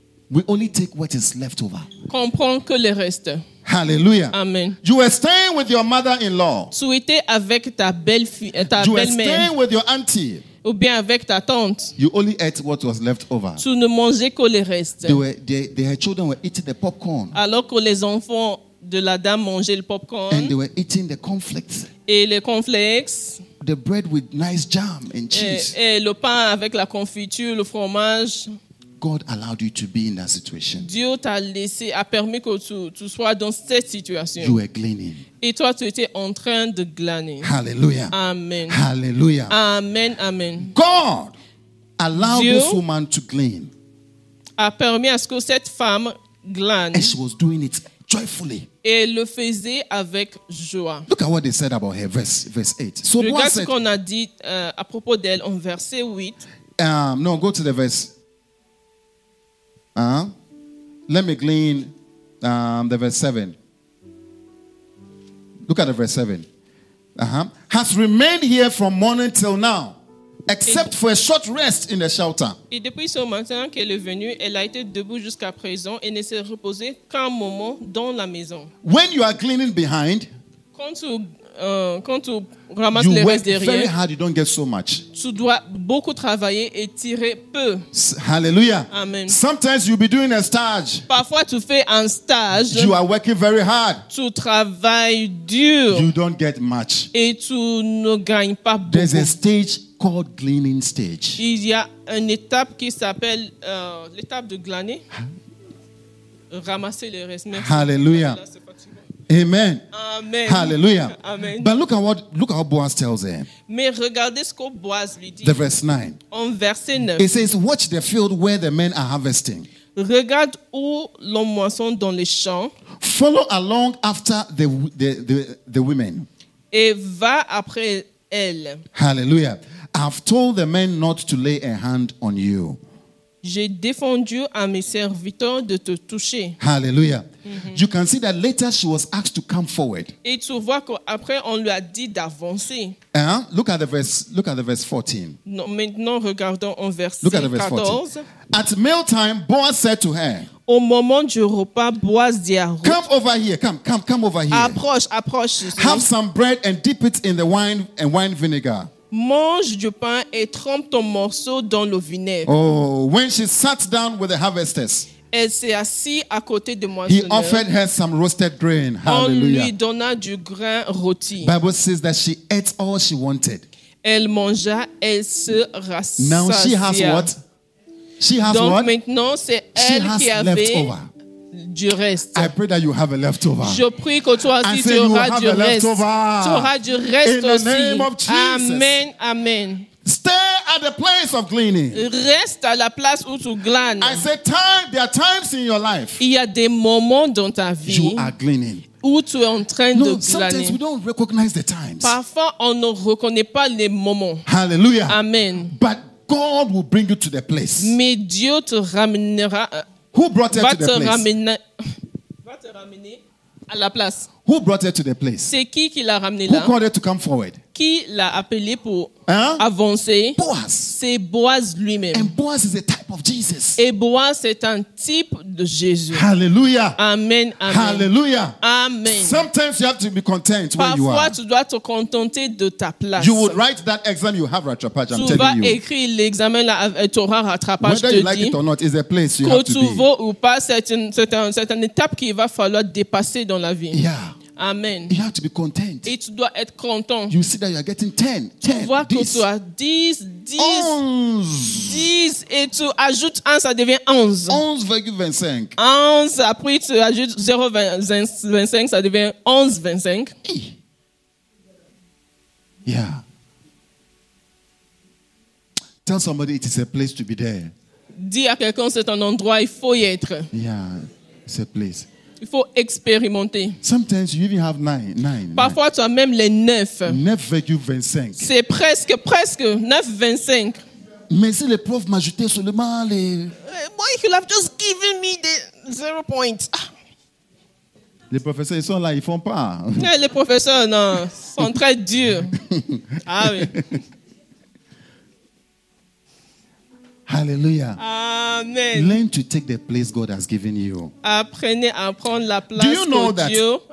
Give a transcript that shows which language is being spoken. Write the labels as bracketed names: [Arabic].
[English] We only take what is left over. [French] Comprends que le reste. Hallelujah. Amen. [English] You were staying with your mother-in-law. [French] Tu étais avec ta belle-fille, ta [English] you [French] belle-mère. [English] Were staying with your auntie. [French] Ou bien avec ta tante. [English] You only ate what was left over. [French] Tu ne mangeais que le reste. [English] Their children were eating the popcorn. [French] Alors que les enfants de la dame mangeaient le popcorn. [English] And they were eating the cornflakes. [French] Et les cornflakes. [English] The bread with nice jam and cheese. [French] Et le pain avec la confiture, le fromage. [English] God allowed you to be in that situation. [French] Dieu t'a laissé, a permis que tu sois dans cette situation. [English] You were gleaning. [French] Et toi, tu étais en train de glaner. Hallelujah. Amen. Hallelujah. Amen, amen. [English] God allowed this woman to glean. [French] A permis à ce que cette femme glane. [English] And she was doing it joyfully. [French] Et le faisait avec joie. [English] Look at what they said about her, verse 8. [French] So regarde ce qu'on a dit à propos d'elle en verset 8. [English] No, go to the verse. Let me glean the verse 7. Look at the verse 7. Has remained here from morning till now, except for a short rest in the shelter. [French] Et depuis ce matin qu'elle est venue, elle a été debout jusqu'à présent et ne s'est reposée qu'un moment dans la maison. [English] When you are cleaning behind, [French] quand tu quand tu ramasses les restes derrière, [English] very hard, you don't get so much. [French] Tu dois beaucoup travailler et tirer peu. Hallelujah. Amen. [English] Sometimes you'll be doing a stage. [French] Parfois tu fais un stage. [English] You are working very hard. [French] Tu travailles dur. [English] You don't get much. [French] Et tu ne gagnes pas beaucoup. [English] There's a stage called gleaning stage. [French] Il y a une étape qui s'appelle l'étape de glaner. Ramasser les restes. Merci. Hallelujah. Amen. Amen. Hallelujah. Amen. [English] But look at what Boaz tells him. [French] Mais regardez ce que Boaz lui dit. [English] The verse 9. [French] En verset 9. [English] It says, watch the field where the men are harvesting. [French] Regarde où l'on moissonne dans les champs. [English] Follow along after the women. [French] Et va après elles. Hallelujah. [English] I've told the men not to lay a hand on you. [French] J'ai défendu à mes serviteurs de te toucher. Hallelujah. Mm-hmm. [English] You can see that later she was asked to come forward. [French] Et tu vois qu'après on lui a dit d'avancer. [English] Hein? Look at the verse 14. [French] Non, maintenant regardons en verset 14. [English] At meal time, Boaz said to her. [French] Au moment du repas, Boaz dit à Ruth. [English] Come over here. Come over here. [French] Approche. [English] Have some bread and dip it in the wine and wine vinegar. [French] Mange du pain et trempe ton morceau dans le vinaigre. [English] Oh, when she sat down with the harvesters, [French] elle s'est assise à côté de moi. [English] He offered her some roasted grain. Hallelujah. [French] On lui donna du grain rôti. [English] Bible says that she ate all she wanted. [French] Elle mangea, elle se rassasia. [English] Now she has what? She has [French] donc [English] what? [French] Maintenant c'est elle [English] she [French] qui [English] has [French] avait [English] leftover. [French] Du reste. [English] I pray that you have a leftover. [French] Je prie que toi aussi tu auras du reste. Tu auras du reste aussi. [English] In the name of Jesus. Amen, amen. Stay at the place of gleaning. [French] Reste à la place où tu glanes. [English] I say time. There are times in your life. [French] Il y a des moments dans ta vie. [English] You are gleaning. [French] Où tu es en train [English] no, [French] de glaner. [English] Sometimes we don't recognize the times. [French] Parfois on ne reconnaît pas les moments. Hallelujah. Amen. [English] But God will bring you to the place. [French] Mais Dieu te ramènera. [English] Who brought her [French] va [English] to the place? [French] Va te ramener à la place. [English] Who brought her to the place? [French] C'est qui l'a ramené [English] who [French] là? [English] Who called her to come forward? [French] Qui l'a appelé pour hein? Avancer? [English] Boaz. [French] C'est Boaz lui-même. [English] And Boaz is a type of Jesus. [French] Et Boaz c'est un type de Jésus. Hallelujah. Amen. Amen. Hallelujah. Amen. [English] Sometimes you have to be content [French] parfois, [English] where you are. [French] Parfois tu dois te contenter de ta place. [English] You would write that exam you have rattrapage. [French] Tu [English] I'm telling you. [French] Tu vas écrire l'examen là et tu auras rattrapage. [English] Whether [French] je [English] you [French] te [English] like [French] dis, [English] it or not, is a place you have to be. [French] Que tu veux ou pas, c'est une étape qu'il va falloir dépasser dans la vie. [English] Yeah. Amen. You have to be content. [French] Et tu dois être content. [English] You see that you are getting 10. [French] 10 tu vois 10, que tu as 10, 10, 11. 10 et tu ajoutes 1, ça devient 11. 11,25. 11, après tu ajoutes 0,25, ça devient 11,25. [English] Hey. Yeah. Tell somebody it is a place to be there. [French] Dis à quelqu'un c'est un endroit, il faut y être. [English] Yeah, it's a place. [French] Il faut expérimenter. [English] Sometimes you even have nine. [French] Parfois, tu as même les 9. 9,25. C'est presque 9,25. Mais si le prof m'ajoutait seulement les... [English] Boy, you have just given me the 0 points. [French] Les professeurs, ils sont là, ils font pas. Et les professeurs, non, sont très durs. Ah oui. Hallelujah. Amen. [English] Learn to take the place God has given you. [French] Apprenez à prendre la place que Dieu a réservée pour vous.